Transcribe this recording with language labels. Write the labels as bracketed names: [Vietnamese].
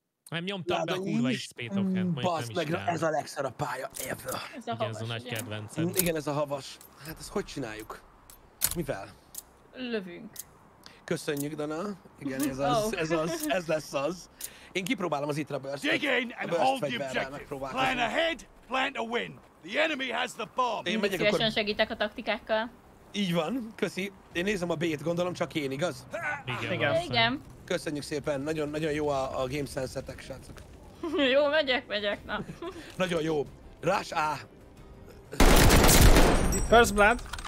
[Hungarian] Nem nyomtam be a kurva XP-t okent, majd nem is. Ez a legszarabb pálya ever. Ez a havas, igen. Ez a nagy kedvencem. Igen, ez a havas. Hát ezt hogy csináljuk? Mivel? Lövünk. Köszönjük, Dana. Igen, ez lesz az. Én kipróbálom az Itra Burst-t. [English] Dig in and hold the objective. Plan ahead, plan to win. The enemy has the bomb. [Hungarian] Én megyek, szívesen akkor... segítek a taktikákkal. Így van, köszi. Én nézem a B-t, gondolom csak én, igaz? Igen. Igen. Köszönjük szépen, nagyon, nagyon jó a game sense-etek, srácok. Jó, megyek, na. Nagyon jó. Rush A. [English] First blood.